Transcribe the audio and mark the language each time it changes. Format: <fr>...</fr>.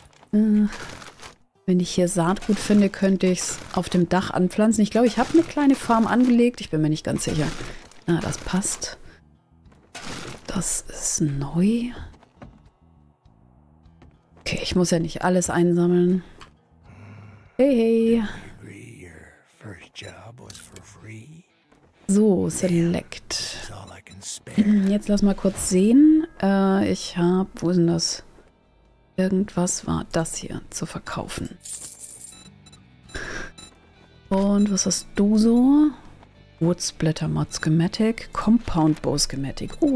<de>Wenn ich hier Saatgut finde, könnte ich es auf dem Dach anpflanzen. Ich glaube, ich habe eine kleine Farm angelegt. Ich bin mir nicht ganz sicher. Ah, das passt. Das ist neu. Okay, ich muss ja nicht alles einsammeln. Hey.</de> <en>Agree, your first job was for free.</en> <de>So, select. Jetzt lass mal kurz sehen. Ich habe, wo ist denn das? Irgendwas war das hier zu verkaufen. Und was hast du so? Wood Splitter Mod Schematic, Compound Bow Schematic.</de>